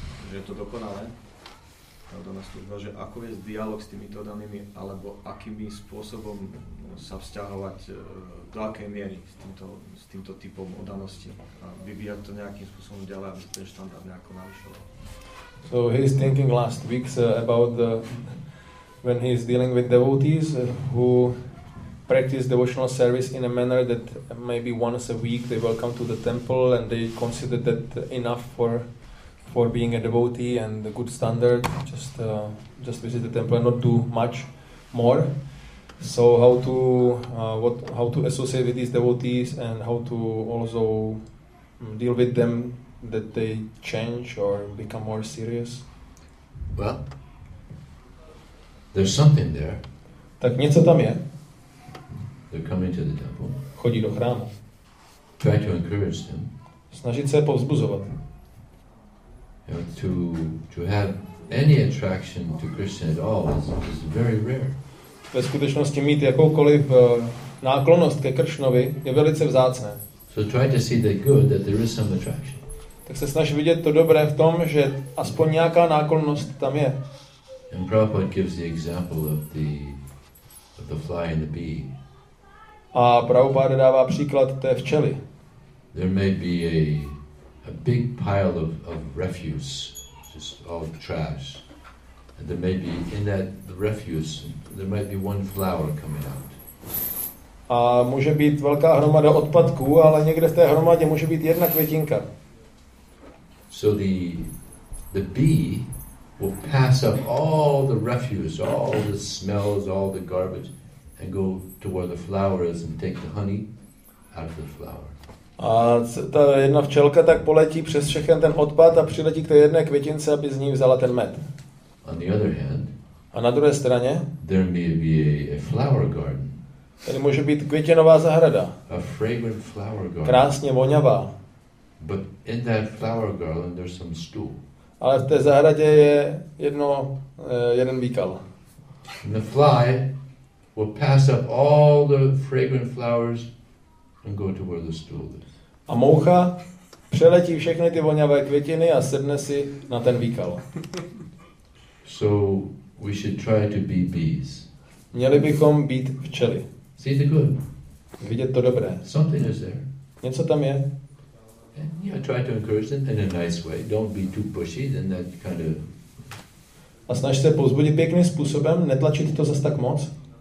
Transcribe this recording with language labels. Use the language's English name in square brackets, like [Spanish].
[Slovak] že je to dokonalé, ta oddaná služba, že ako vést dialog s těmito oddanými, alebo akými způsobem sa vzťahovať do akej miery s týmto typom oddanosti a vyvíjať to nejakým spôsobom ďalej, aby ten štandard nejako navýšil. [English] So he's thinking last week about the, when he's dealing with devotees who practice devotional service in a manner that maybe once a week they will come to the temple and they consider that enough for being a devotee and a good standard, just visit the temple and not do much more. So how to how to associate with these devotees and how to also deal with them that they change or become more serious? Well, there's something there. [Czech] Tak něco tam je. [English] They're coming to the temple. [Czech] Chodí do chrámu. [English] Try to encourage them. [Czech] Snažit se povzbuzovat. [English] You know, to have any attraction to Krishna at all is very rare. [Czech] Ve skutečnosti mít jakoukoliv náklonost ke Kršnovi je velice vzácné. [English] So try to see the good, that there is some attraction. [Czech] Tak se snaž vidět to dobré v tom, že aspoň nějaká náklonnost tam je. [English] And Prabhupada gives the example of the fly and the bee. [Czech] A Prabhupada dává příklad té včely. [English] There may be a big pile of refuse, just all the trash. There may be in that refuse there might be one flower coming out. [Czech] A může být velká hromada odpadků, ale někde v té hromadě může být jedna květinka. [English] So the bee will pass up all the refuse, all the smells, all the garbage and go to where the flower is and take the honey out of the flower. [Czech] A ta jedna včelka tak poletí přes všechen ten odpad a přiletí k té jedné květince, aby z ní vzala ten med. [English] On the other hand, [Czech] a na druhé straně, [English] there may be a flower garden. [Czech] Tady může být květinová zahrada. [English] A fragrant flower garden. [Czech] Krásně voňavá. [English] But in that flower garden there's some stool. [Czech] Ale v té zahradě je jeden výkal. [English] And the fly will pass up all the fragrant flowers and go to where the stool is. [Czech] A moucha přeletí všechny ty voňavé květiny a sedne si na ten výkal. [English] So we should try to be bees. [Czech] Měli bychom být včely. [English] See the good. [Czech] Vidět to dobré. [English] Something is there. [Czech] Něco tam je. [English] And yeah, try to encourage them in a nice way. Don't be too pushy, then that kind of. [Czech] A snaž se povzbudit pěkným způsobem, netlačit to zas tak moc.